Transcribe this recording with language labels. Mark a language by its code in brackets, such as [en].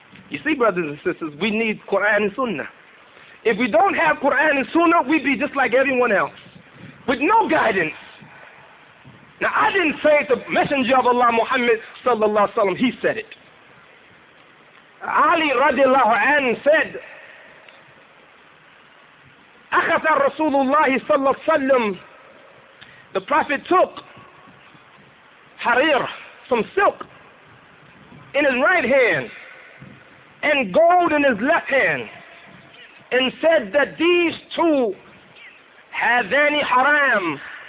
[en] You see, brothers and sisters, we need Quran and Sunnah. If we don't have Quran and Sunnah, we'd be just like everyone else, with no guidance. Now, I didn't say it, the Messenger of Allah, Muhammad sallallahu alaihi wasallam, he said it. Ali radiallahu anhu said, [ar] أَخَذَ رَسُولُ اللَّهِ صَلَّى اللَّهُ وَسَلَّمُ. [en] The Prophet took harir, some silk, in his right hand, and gold in his left hand, and said that these two hadani haram.